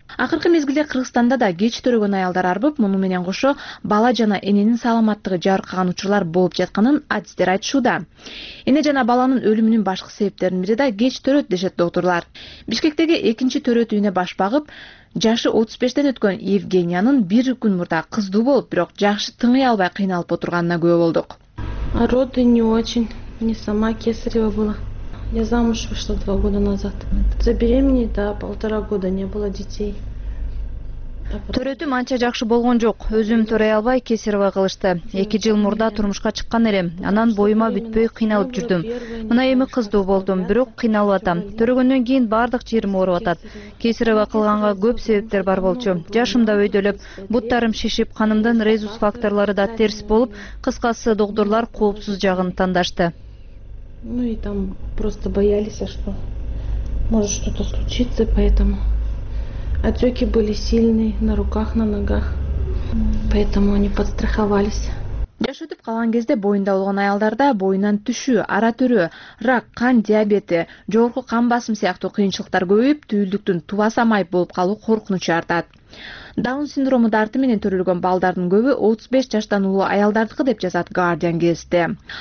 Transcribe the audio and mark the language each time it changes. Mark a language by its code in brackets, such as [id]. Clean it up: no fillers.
[ky] Акыркы мезгилде Кыргызстанда да кеч төрөгөн аялдар арбып, муну менен кошо бала жана эненин саламаттыгы жаркыраган учурлар болуп жатканын адистер айтышууда. Эне жана баланын өлүмүнүн башкы себептеринин бири да кеч төрөт дешет доктурлар. Бишкектеги экинчи төрөт үйүнө баш багып, жашы 35 өткөн Евгениянын бир күн мурда кыздуу болуп, бирок жакшы тыңый албай кыйналып отурганына күбө болдук. [ru] Роды не очень, мне сама кесарево было. Я замуж вышла 2 года назад. Забеременеть, да, 1.5 года не было детей. [ky] Төрөтүм анча жакшы болгон жок. Өзүм төрөй албай кесарево кылышты. 2 жыл мурда турмушка чыккан элем. Анан боюма бүтпөй кыйналып жүрдүм. Мына эми кыздуу болдум, бирок кыйналып атам. Төрөгөндөн кийин баардык жерим ооруп атат. Кесарево кылганга көп себептер бар болчу. Жашым да өйдөлөп, буттарым шишип, канымдын резус факторлору да терс болуп, кыскасы доктурлар коопсуз жагын тандашты. [ru] Ну и там просто боялись, что может что-то случиться, поэтому отеки были сильные на руках, на ногах, поэтому они подстраховались. [ky] Жаш өтүп калган кезде боюнда болгон аялдарда боюнан түшүү, ара түрүү, рак, кан диабети, жогорку кан басым сыяктуу кыйынчылыктар көбөйүп, түйүлдүктүн тубаса майып болуп калуу коркунучу артат. Даун синдрому дарты менен төрөлгөн балдардын көбү 35 жаштан улуу аялдардыкы деп жазат Guardian гезити.